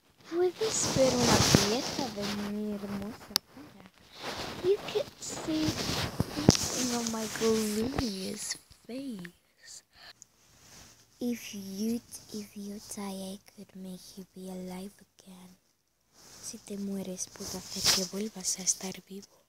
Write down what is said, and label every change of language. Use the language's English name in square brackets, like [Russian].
[Spanish] ¿Puedes ver una pieza de mi hermosa cara? [English] You could see something on my glorious face. If you die, I could make you be alive again. [Spanish] Si te mueres, puedo hacer que vuelvas a estar vivo.